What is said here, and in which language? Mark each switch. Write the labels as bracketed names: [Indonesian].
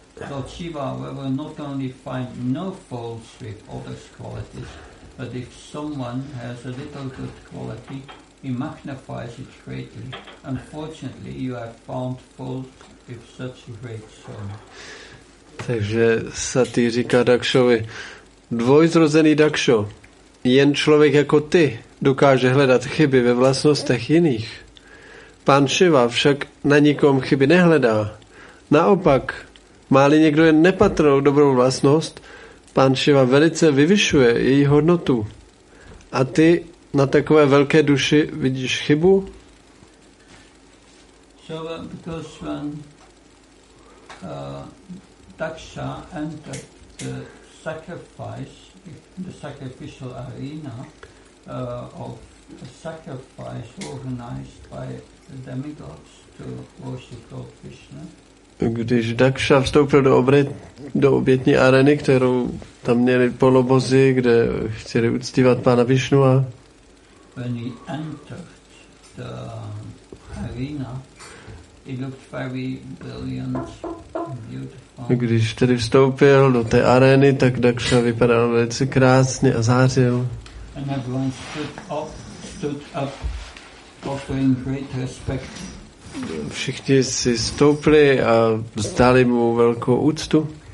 [English] Lord Shiva will not only find no faults with others' qualities, but if someone has a little good quality, he magnifies it greatly. Unfortunately, you have found fault with such a great soul. [Czech] Takže Sati říká Dakšovi, dvojzrozený Dakšo, jen člověk jako ty dokáže hledat chyby ve vlastnostech jiných. Pán Šiva však na nikom chyby nehledá. Naopak, má-li někdo jen nepatrnou dobrou vlastnost, pán Šiva velice vyvyšuje její hodnotu. A ty na takové velké duši vidíš chybu? [English] So because when Daksha entered the sacrificial arena, of a sacrifice organized by the demigods to worship Lord Krishna. [Czech] Když Daksha vstoupil do obětní areny, kterou tam měli polobozy, kde chtěli uctívat pána Vishnu. [English] When he entered the arena, it looked very brilliant and beautiful. [Czech] Když tedy vstoupil do té arény, tak Daksha vypadal velice krásně a zářil. [English] And everyone stood up offering great respect. [Czech] Všichni si stoupli a vzdali mu velkou úctu.